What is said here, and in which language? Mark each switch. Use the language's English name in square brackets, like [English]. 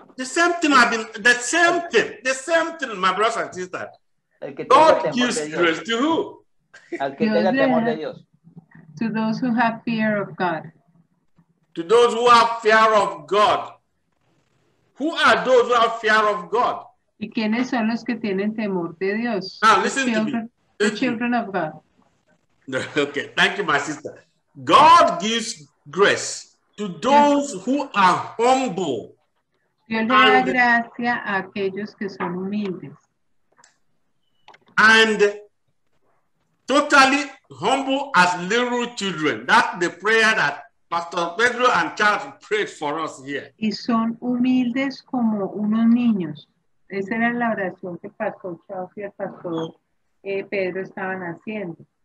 [English] The same thing, the same thing, my brothers and sisters. God gives grace to who? To those who have fear of God. To those who have fear of God. Who are those who have fear of God? [Spanish] ¿Y quiénes son los que tienen temor de Dios? [English] Now, listen to me. The children of God. Okay, thank you, my sister. God gives grace to those who are humble. [Spanish] Dios le da gracia a aquellos que son humildes. [English] And totally humble as little children. That's the prayer that Pastor Pedro and Charles prayed for us here. [Spanish] Y son humildes como unos niños. Esa era la oración que Pastor Charles y Pastor Pedro estaban haciendo.